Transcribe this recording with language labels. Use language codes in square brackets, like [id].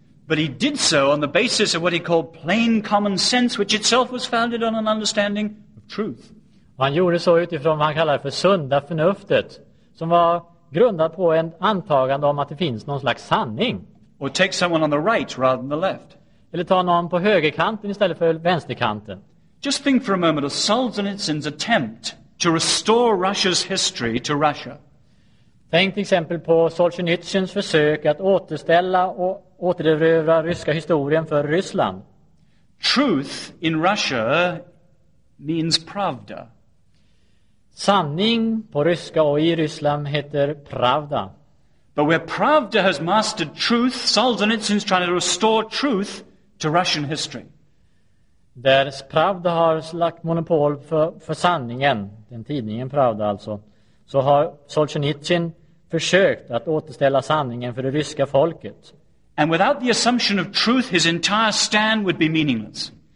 [en] But he did so on the basis of what he called plain common sense, which itself was founded on an understanding of truth. [sv] Han gjorde så utifrån vad han kallar för sunda förnuftet, som var grundat på en antagande om att det finns någon slags sanning. [en] Or take someone on the right rather than the left. [sv] Eller ta någon på högerkanten istället för vänsterkanten. [en] Just think for a moment of Solzhenitsyn's attempt to restore Russia's history to Russia. [sv] Tänk till exempel på Solzhenitsyns försök att återställa och återerövra ryska historien för Ryssland. [en] Truth in Russia means pravda. [sv] Sanning på ryska och i Ryssland heter pravda. [en] But where pravda has mastered truth, Solzhenitsyn is trying to restore truth to Russian history. [sv] Där pravda har slagit monopol för sanningen, den tidningen Pravda alltså, så har Solzhenitsyn försökt att återställa sanningen för det ryska folket. [en] And without the assumption of truth, his entire stand would be meaningless.